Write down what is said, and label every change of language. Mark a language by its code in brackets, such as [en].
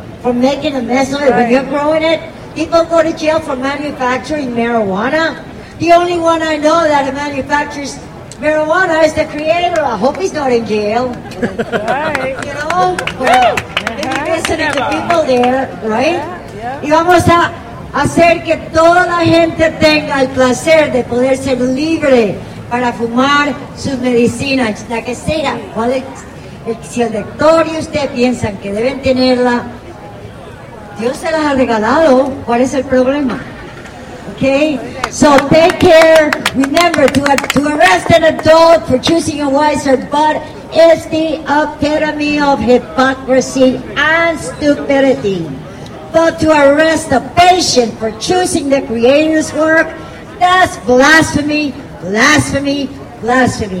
[en] for making a mess of it when you're growing it. People go to jail for manufacturing marijuana. The only one I know that manufactures marijuana is the creator. I hope he's not in jail. Right. You know? Well, if you listen to people there, right? Yeah. Yeah. [es] Y vamos a hacer que toda la gente tenga el placer de poder ser libre para fumar sus medicinas, la que sea. ¿Cuál es? Si el doctor y usted piensan que deben tenerla, Dios se las ha regalado. ¿Cuál es el problema? [en] Okay. So take care. Remember to arrest an adult for choosing a wiser bud is the epitome of hypocrisy and stupidity. But to arrest a patient for choosing the creator's work, that's blasphemy, blasphemy, blasphemy.